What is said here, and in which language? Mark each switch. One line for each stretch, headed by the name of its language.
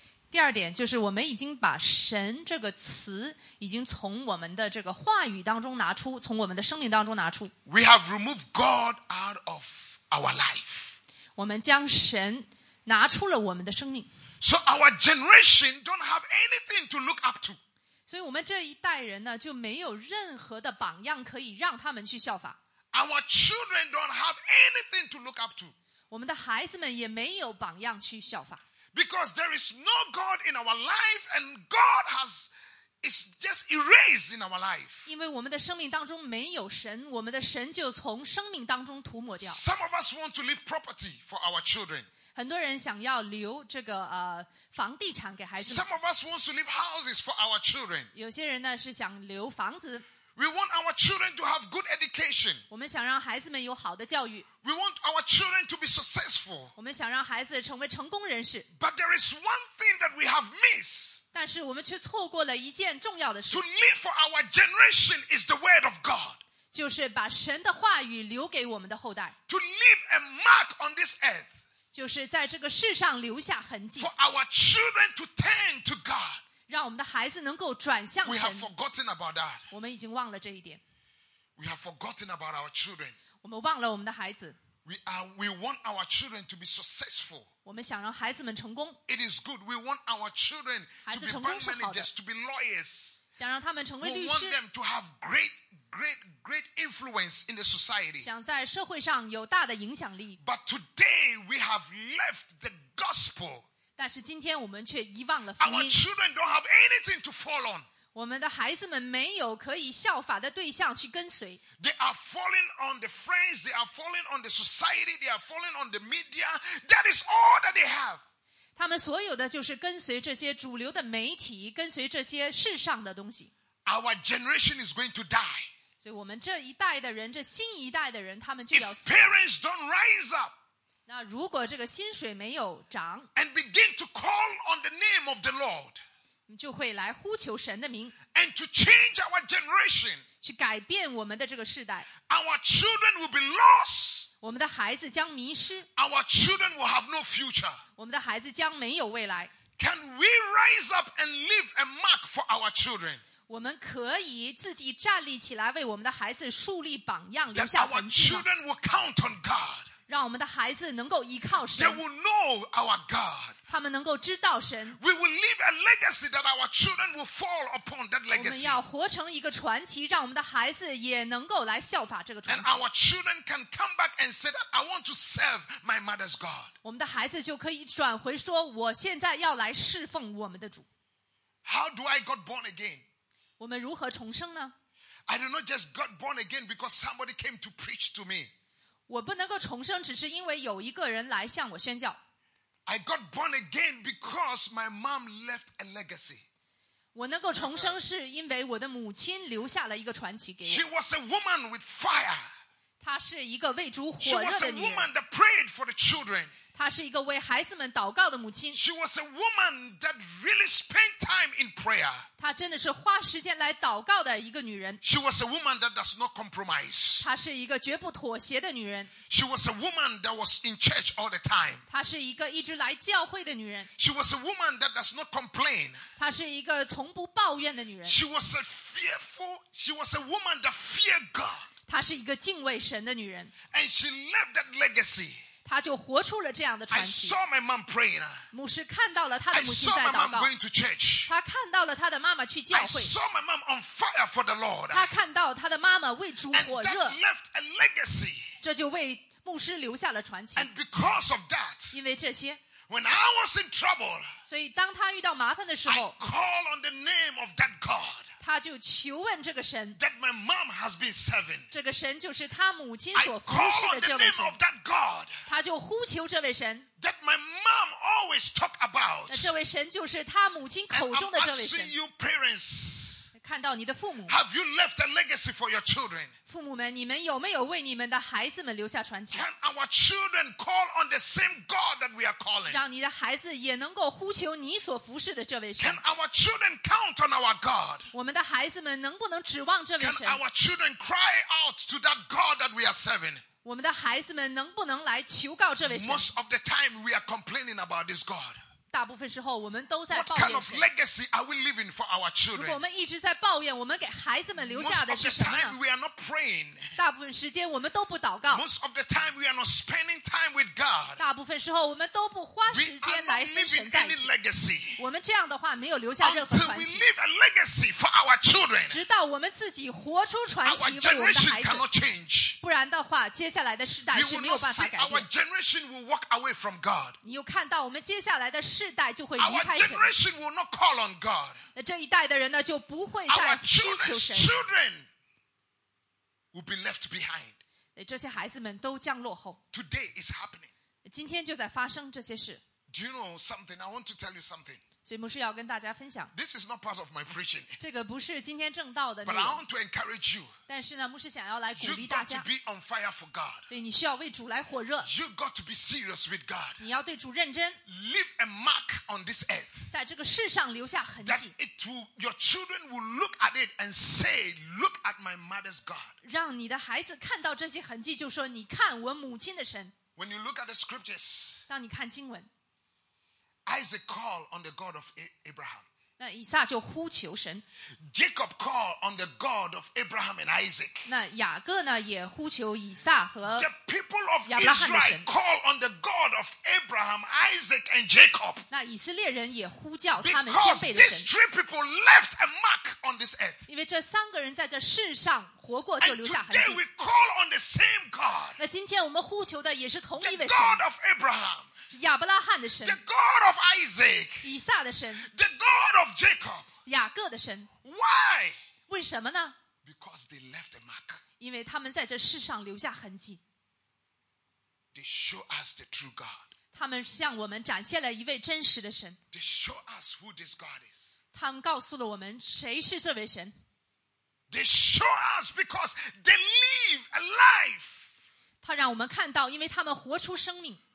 Chinese: 第二点就是我们已经把神这个词已经从我们的这个话语当中拿出，从我们的生命当中拿出。
English: We have removed God out of our life.
Chinese: 我们将神拿出了我们的生命。
English: So our generation don't have anything to look up to.
Chinese: 所以我们这一代人呢，就没有任何的榜样可以让他们去效法。
English: Our children don't have anything to look up to.
Chinese: 我们的孩子们也没有榜样去效法。
English: Because there is no God in our life, and God is just erased in our life.
Chinese: 因为我们的生命当中没有神，我们的神就从生命当中涂抹掉。
English: Some of us want to leave property for our children.
Chinese: 很多人想要留这个房地产给孩子。
English: Some of us want to leave houses for our children.
Chinese: 有些人呢是想留房子。
English: We want our children to have good education.
Chinese: 我们想让孩子们有好的教育。
English: We want our children to be successful.
Chinese: 我们想让孩子成为成功人士。
English: But there is one thing that we have missed.
Chinese: 但是我们却错过了一件重要的事。
English: To live for our generation is the word of God.
Chinese: 就是把神的话语留给我们的后代。
English: To leave a mark on this earth.
Chinese: 就是在这个世上留下痕迹。
English: For our children to turn to God.
Chinese: 让我们的孩子能够转向神。
English: We have forgotten about that.
Chinese: 我们已经忘了这一点。
English: We have forgotten about our children.
Chinese: 我们忘了我们的孩子。
English: We want our children to be successful.
Chinese: 我们想让孩子们成功。
English: It is good. We want our children to be bank managers, to be lawyers.
Chinese: 想让他们成为律师。
English: We want them to have great, great, great influence in the society.
Chinese: 想在社会上有大的影响力。
English: But today we have left the gospel.
Chinese: 但是今天我们却遗忘了福音。
English: Our children don't have anything to fall on.
Chinese: 我们的孩子们没有可以效法的对象去跟随。
English: They are falling on the friends, they are falling on the society, they are falling on the media. That is all that they have.
Chinese: 他们所有的就是跟随这些主流的媒体，跟随这些世上的东西。
English: Our generation is going to die.
Chinese: 所以我们这一代的人，这新一代的人，他们就要死。
English: If parents don't rise up,
Chinese: 那如果这个薪水没有涨
English: and begin to call on the name of the Lord.
Chinese: 就会来呼求神的名
English: and to change our generation,
Chinese: 去改变我们的这个世代
English: our children will be lost,
Chinese: 我们的孩子将迷失
English: our children will have no future,
Chinese: 我们的孩子将没有未来
English: Can we rise up and leave a mark for our children?
Chinese: 我们可以自己站立起来为我们的孩子树立榜样留下痕迹吗
English: Our children will count on God,
Chinese: 让我们的孩子能够依靠神
English: They will know our God.
Chinese: 他们能够知道神。
English: We will leave a legacy that our children will fall upon that legacy.
Chinese: 我们要活成一个传奇，让我们的孩子也能够来效法这个传奇。
English: And our children can come back and say that I want to serve my mother's God.
Chinese: 我们的孩子就可以转回说，我现在要来侍奉我们的主。
English: How do I got born again?
Chinese: 我们如何重生呢
English: ？I do not just got born again because somebody came to preach to me.
Chinese: 我不能够重生，只是因为有一个人来向我宣教。
English: I got born again because my mom left a legacy.
Chinese: 我能够重生是因为我的母亲留下了一个传奇给我。
English: She was a woman with fire.
Chinese: 她是一个为主火热的女人。
English: She was a woman that prayed for the children.
Chinese: 她是一个为孩子们祷告的母亲。
English: She was a woman that really spent time in prayer.
Chinese: 她真的是花时间来祷告的一个女人。
English: She was a woman that does not compromise.
Chinese: 她是一个绝不妥协的女人。
English: She was a woman that was in church all the time.
Chinese: 她是一个一直来教会的女人。
English: She was a woman that does not complain.
Chinese: 她是一个从不抱怨的女人。
English: She was a fearful, she was a woman that feared God.
Chinese: 她是一个敬畏神的女人。
English: And she left that legacy.
Chinese: 他就活出了这样的传奇。
English: I saw my mom praying.
Chinese: 牧师看到了他的母亲在祷告。
English: I saw my mom going to church.
Chinese: 他看到了他的妈妈去教会。
English: I saw my mom on fire for the Lord.
Chinese: 他看到他的妈妈为主火热。
English: And that left a legacy.
Chinese: 这就为牧师留下了传奇。
English: And because of that,
Chinese: 因为这些。
English: When I was in trouble,
Chinese: 所以当他遇到麻烦的时候。
English: I call on the name of that God.
Chinese: 他就求问这个神
English: that my mom has been serving.
Chinese: 这个神就是他母亲所服侍的这位神他就呼求这位神
English: that my mom always talk about.
Chinese: 那这位神就是他母亲口中的这位神
English: I see you parents.
Chinese: 看到你的父母
English: Have you left a legacy for your children?
Chinese: 父母们你们有没有为你们的孩子们留下传奇
English: Can our children call on the same God that we are calling?
Chinese: 让你的孩子也能够呼求你所服侍的这位神
English: Can our children count on our God?
Chinese: 我们的孩子们能不能指望这位神
English: Can our children cry out to that God that we are serving?
Chinese: 我们的孩子们能不能来求告这位神
English: Most of the time we are complaining about this God.
Chinese: 大部分时候我们都在抱怨。
English: What kind of legacy are we leaving for our children?
Chinese: 如果我们一直在抱怨，我们给孩子们留下的是什么呢
English: ？Most of the time we are not praying.
Chinese: 大部分时间我们都不祷告。
English: Most of the time we are not spending time with God.
Chinese: 大部分时候我们都不花时间来跟神在一起。
English: We are not leaving any legacy.
Chinese: 我们这样的话没有留下任何传奇。
English: Until we leave a legacy for our children.
Chinese: 直到我们自己活出传奇为我们的孩子。
English: Our generation cannot change.
Chinese: 不然的话，接下来的世代是没有办法改变。
English: Our generation will walk away from God.
Chinese: 你又看到我们接下来的世代世代就会离开神。
English: Our generation will not call on God.
Chinese: 那这一代的人呢，就不会再呼求神。
English: Our children will be left behind.
Chinese: 这些孩子们都将落后。
English: Today is happening.
Chinese: 今天就在发生这些事。
English: Do you know something? I want to tell you something.
Chinese: 所以牧师要跟大家分享。
English: This is not part of my preaching.
Chinese: 这个不是今天正道的内容。
English: But I want to encourage you.
Chinese: 但是呢，牧师想要来鼓励大家。
English: You've got to be on fire for God.
Chinese: 所以你需要为主来火热。
English: You've got to be serious with God.
Chinese: 你要对主认真。
English: Leave a mark on this earth.
Chinese: 在这个世上留下痕迹。
English: That it will, your children will look at it and say, "Look at my mother's God."
Chinese: 让你的孩子看到这些痕迹，就说：“你看我母亲的神。”
English: When you look at the scriptures.
Chinese: 当你看经文。
English: Isaac called on the God of Abraham.
Chinese: 那以撒就呼求神。
English: Jacob called on the God of Abraham and Isaac.
Chinese: 那雅各呢也呼求以撒和亚伯拉罕的神。
English: The people of Israel call on the God of Abraham, Isaac, and Jacob.
Chinese: 那以色列人也呼叫他们先辈的神。
English: Because these three people left a mark on this earth.
Chinese: 因为这三个人在这世上活过就留下痕迹。
English: And today we call on the same God.
Chinese: 那今天我们呼求的也是同一位神。
English: The God of Abraham.
Chinese: 亚伯拉罕的神
English: The God of Isaac
Chinese: 以撒的神
English: The God of Jacob
Chinese: 雅各的神
English: Why?
Chinese: 为什么呢
English: Because they left a mark
Chinese: 因为他们在这世上留下痕迹
English: They show us the true God
Chinese: 他们向我们展现了一位真实的神
English: They show us who this God is
Chinese: 他们告诉了我们谁是这位神
English: They show us because they live a life
Chinese: 他让我们看到因为他们活出生命